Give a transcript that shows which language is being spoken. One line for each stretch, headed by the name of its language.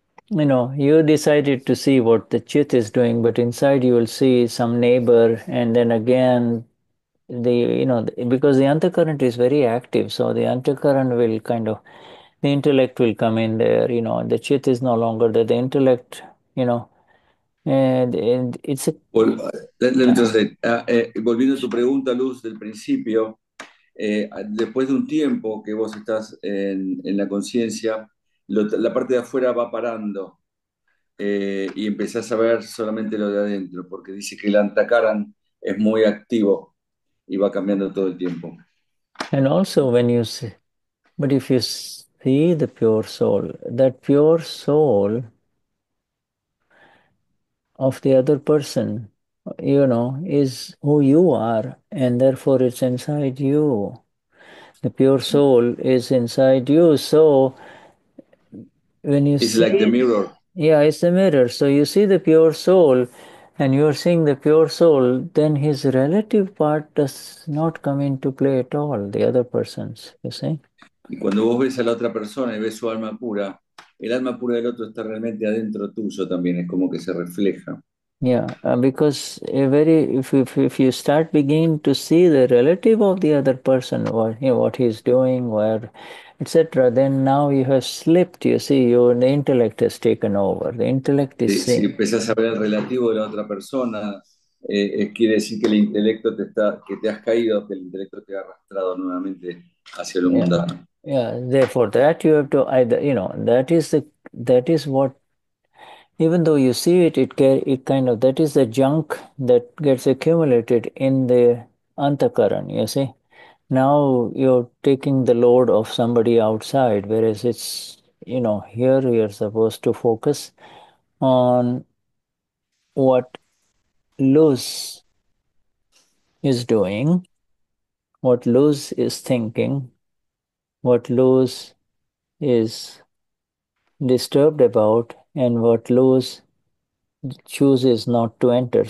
English: You know, you decided to see what the chit is doing, but inside you will see some neighbor, and then again, because the antakarana is very active, so the antakarana will kind of, the intellect will come in there, you know, and the chit is no longer there. The intellect, you know, And it's a... Well, let me translate.
Spanish: Volviendo a tu pregunta, Luz, del principio, después de un tiempo que vos estás en la conciencia, la parte de afuera va parando y empezás a ver solamente lo de adentro, porque dice que el antakaran es muy activo y va cambiando todo el tiempo.
English: And also when you see, but if you see the pure soul, that pure soul of the other person, you know, is who you are, and therefore it's inside you. The pure soul is inside you. So when you it's see, like the mirror. Yeah, it's the mirror. So you see the pure soul, and you are seeing the pure soul, then his relative part does not come into play at all, the other person's, you see?
Spanish: Y cuando vos ves a la otra persona y ves su alma pura, el alma pura del otro está realmente adentro tuyo también, es como que se refleja.
English: Yeah, because a very, if you start beginning to see the relative of the other person, what, you know, what he's doing, where, etc., then now you have slipped, you see, you, the intellect has taken over. The intellect is seeing.
Spanish: Si empezás a ver el relativo de la otra persona, quiere decir que el intelecto te está, que te has caído, que el intelecto te ha arrastrado nuevamente hacia lo mundano.
English: Yeah, therefore that you have to either, you know, that is the, that is what, even though you see it, it kind of, that is the junk that gets accumulated in the antakaran, you see. Now you're taking the load of somebody outside, whereas it's, you know, here you're supposed to focus on what Luz is doing, what Luz is thinking, what Luz is disturbed about, and what Luz chooses not to enter.